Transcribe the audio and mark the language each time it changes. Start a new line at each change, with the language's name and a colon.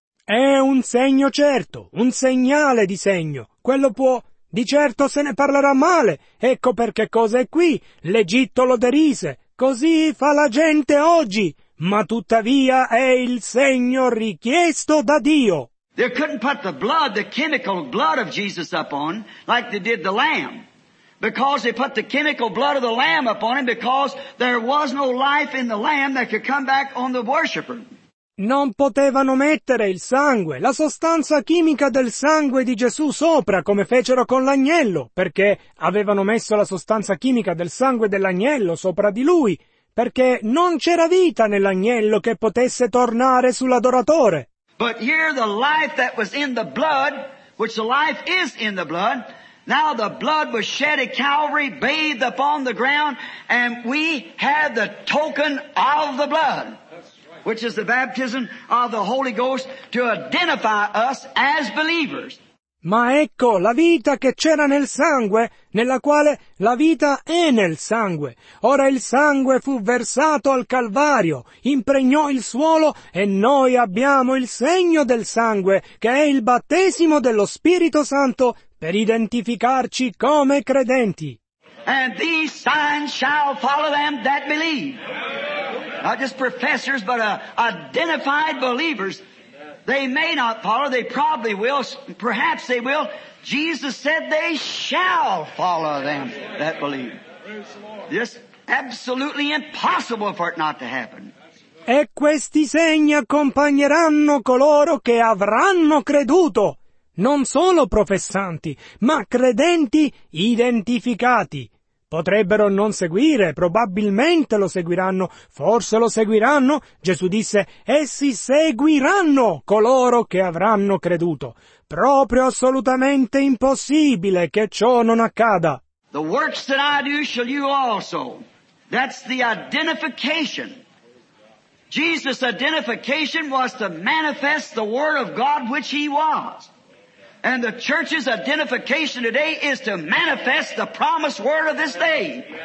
Italian: È un segno certo, un segnale di segno. Quello può, di certo se ne parlerà male. Ecco perché cosa è qui. L'Egitto lo derise. Così fa la gente oggi. Ma tuttavia è il segno richiesto da Dio.
English: They couldn't put the blood, the chemical blood of Jesus up on like they did the lamb. Because they put the chemical blood of the lamb up on him because there was no life in the lamb that could come back on the worshiper.
Italian: Non potevano mettere il sangue, la sostanza chimica del sangue di Gesù sopra come fecero con l'agnello, perché avevano messo la sostanza chimica del sangue dell'agnello sopra di lui, perché non c'era vita nell'agnello che potesse tornare sull'adoratore.
English: But here the life that was in the blood, which the life is in the blood, now the blood was shed at Calvary, bathed upon the ground, and we have the token of the blood, which is the baptism of the Holy Ghost to identify us as believers.
Italian: Ma ecco la vita che c'era nel sangue, nella quale la vita è nel sangue. Ora il sangue fu versato al Calvario, impregnò il suolo e noi abbiamo il segno del sangue, che è il battesimo dello Spirito Santo, per identificarci come credenti.
English: And these signs shall follow them that believe. Not just professors, but identified believers. They may not follow, they probably will, perhaps they will. Jesus said they shall follow them that believe. This absolutely impossible for it not to happen.
Italian: E questi segni accompagneranno coloro che avranno creduto, non solo professanti, ma credenti identificati. Potrebbero non seguire, probabilmente lo seguiranno, forse lo seguiranno. Gesù disse, essi seguiranno coloro che avranno creduto. Proprio assolutamente impossibile che ciò non accada.
English: The works that I do shall you also. That's the identification. Jesus' identification was to manifest the word of God which he was. And the church's identification today is to manifest the promised word of this day.